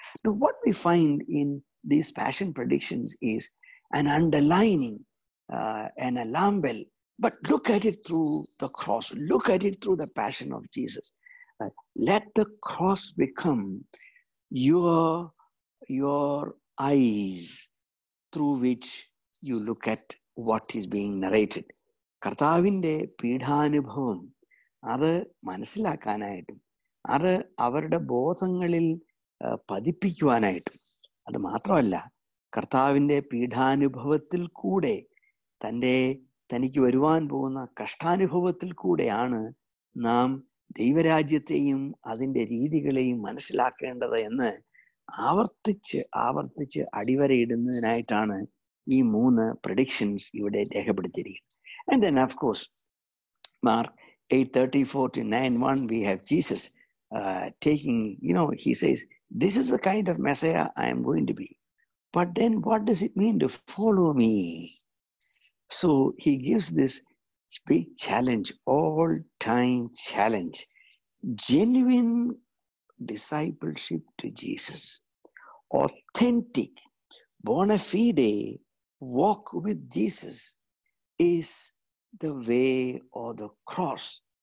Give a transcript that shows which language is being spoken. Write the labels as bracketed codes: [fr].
[en] Now, what we find in these passion predictions is an underlining, an alarm bell, but look at it through the cross. Look at it through the passion of Jesus. Let the cross become your eyes through which you look at what is being narrated. [ml] കർത്താവിൻ്റെ പീഡാനുഭവം അത് മനസ്സിലാക്കാനായിട്ടും അത് അവരുടെ ബോധങ്ങളിൽ പതിപ്പിക്കുവാനായിട്ടും, അത് മാത്രമല്ല കർത്താവിൻ്റെ പീഡാനുഭവത്തിൽ കൂടെ തനിക്ക് വരുവാൻ പോകുന്ന കഷ്ടാനുഭവത്തിൽ കൂടെയാണ് നാം ദൈവരാജ്യത്തെയും അതിൻ്റെ രീതികളെയും മനസ്സിലാക്കേണ്ടത് എന്ന് ആവർത്തിച്ച് അടിവരയിടുന്നതിനായിട്ടാണ് ഈ മൂന്ന് പ്രെഡിക്ഷൻസ് ഇവിടെ രേഖപ്പെടുത്തിയിരിക്കുന്നത്. [en] And then, of course, Mark 8:34-9:1, we have Jesus taking, he says, this is the kind of Messiah I am going to be. But then what does it mean to follow me? So he gives this big challenge, all-time challenge, genuine discipleship to Jesus, authentic, bona fide walk with Jesus is the way or the cross.